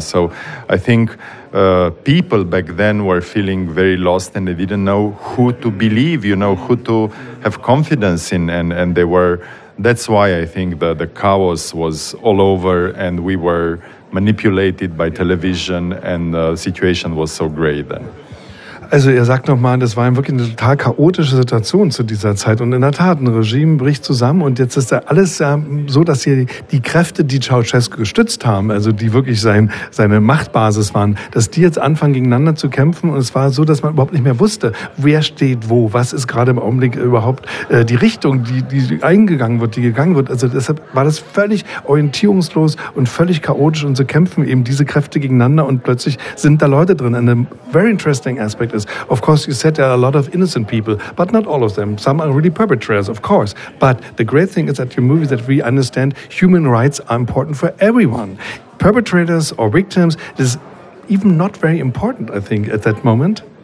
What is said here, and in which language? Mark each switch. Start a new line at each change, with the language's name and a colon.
English: So I think people back then were feeling very lost and they didn't know who to believe, you know, who to have confidence in. And they were, that's why I think the chaos was all over and we were manipulated by television and the situation was so great then.
German: Also er sagt nochmal, das war wirklich eine total chaotische Situation zu dieser Zeit. Und in der Tat, ein Regime bricht zusammen und jetzt ist alles so, dass hier die Kräfte, die Ceausescu gestützt haben, also die wirklich seine Machtbasis waren, dass die jetzt anfangen, gegeneinander zu kämpfen. Und es war so, dass man überhaupt nicht mehr wusste, wer steht wo, was ist gerade im Augenblick überhaupt die Richtung, die eingegangen wird, die gegangen wird. Also deshalb war das völlig orientierungslos und völlig chaotisch und so kämpfen eben diese Kräfte gegeneinander und plötzlich sind da Leute drin. Eine
English: very interesting aspect is, of course, you said there are a lot of innocent people, but not all of them. Some are really perpetrators, of course. But the great thing is that your movie that we understand human rights are important for everyone. Perpetrators or victims is even not very important, I think, at that moment.